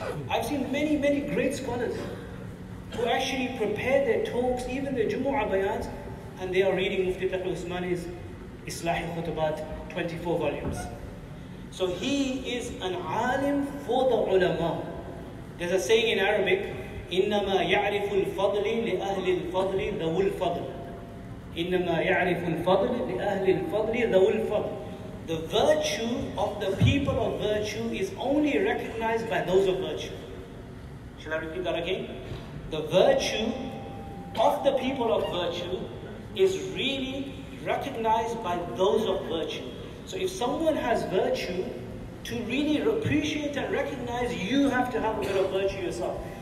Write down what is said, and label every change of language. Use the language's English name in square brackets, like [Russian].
[English] I've seen many, many great scholars who actually prepare their talks, even their Jumu'ah bayans, and they are reading Mufti Taqi Usmani's Islahi Khutbat, 24 volumes. So he is an alim for the ulama. There's a saying in Arabic, [Arabic] إِنَّمَا يَعْرِفُ الْفَضْلِ لِأَهْلِ الْفَضْلِ ذَوُ الْفَضْلِ إِنَّمَا يَعْرِفُ الْفَضْلِ لِأَهْلِ الْفَضْلِ ذَوُ الْفَضْلِ. [English] The virtue of the people of virtue is only recognized by those of virtue. Shall I repeat that again? The virtue of the people of virtue is really recognized by those of virtue. So if someone has virtue, to really appreciate and recognize, you have to have a bit of virtue yourself.